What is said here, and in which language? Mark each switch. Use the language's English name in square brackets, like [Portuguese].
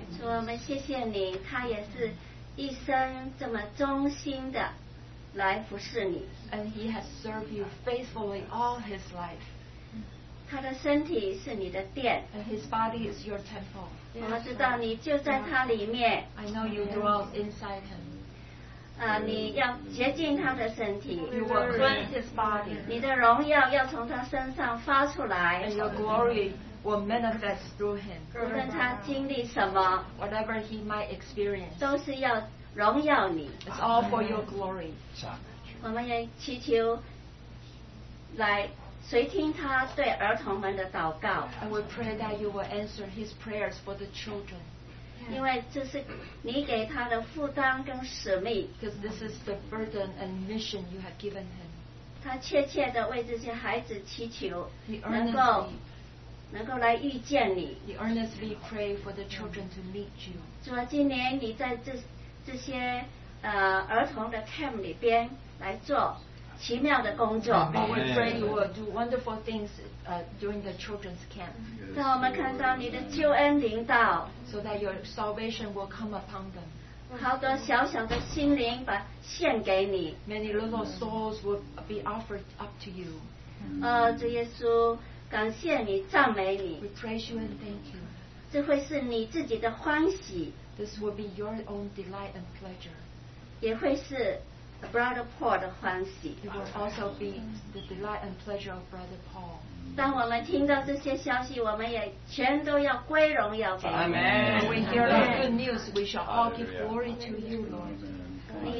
[Chinese] 主，我们谢谢你，他也是一生这么忠心的来服侍你。 [English] And he has served you faithfully all his life. [Chinese] 他的身体是你的殿。 [English] And his body is your temple. [Chinese] 我们知道你就在他里面。 [English] I know you dwell inside him. [Chinese] 你要洁净他的身体。 [English] You will cleanse his body. [Chinese] 你的荣耀要从他身上发出来。 [English] And your glory. Will manifest through him. [Chinese] 无论他经历什么 [English] whatever he might experience, [Chinese] 都是要荣耀你。 [English] It's all for your glory. [Chinese] 我们也祈求来随听他对儿童们的祷告。 [English] And we pray that you will answer his prayers for the children. [Chinese] 因为这是你给他的负担跟使命。 [English] Because this is the burden and mission you have given him. [Chinese] 他切切地为这些孩子祈求，能够来遇见你。 [English] He earnestly pray for the children to meet you. [Chinese] 主啊，今年你在这些儿童的 camp 里边来做奇妙的工作。 [English] Amen. We pray you will do wonderful things during the children's camp. [Chinese] 让我们看到你的救恩临到。 [English] So that your salvation will come upon them. [Chinese] 好多小小的心灵把献给你。 [English] Many little souls will be offered up to you. [Chinese] 主耶稣。感谢你，赞美你。 [English] We praise you and thank you. [Chinese] 这会是你自己的欢喜。 [English] This will be your own delight and pleasure. [Chinese] 也会是 Brother Paul 的欢喜。 [English] It will also be the delight and pleasure of Brother Paul. [Chinese] 当我们听到这些消息，我们也全都要归荣耀给你。 [English] Amen. When we hear the good news, we shall all give glory to you, Lord.